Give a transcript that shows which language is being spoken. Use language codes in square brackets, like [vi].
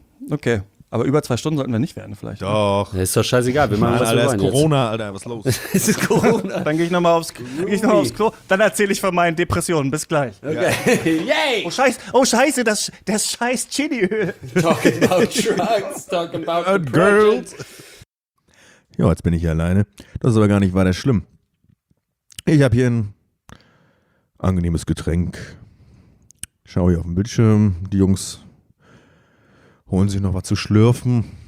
[de] Okay. Aber über 2 Stunden sollten wir nicht werden, vielleicht. Doch. Ist doch scheißegal, wir machen alles. Corona, jetzt. Alter, was ist los? Es ist Corona. Dann gehe ich nochmal aufs Klo. Dann erzähle ich von meinen Depressionen. Bis gleich. Okay. Ja. Yay! Oh, scheiße, das scheiß Chiliöl. [en] Talking about drugs, talking about girls. [de] Ja, jetzt bin ich hier alleine. Das ist aber gar nicht weiter schlimm. Ich habe hier ein angenehmes Getränk. Schaue hier auf den Bildschirm, die Jungs. Holen sich noch was zu schlürfen.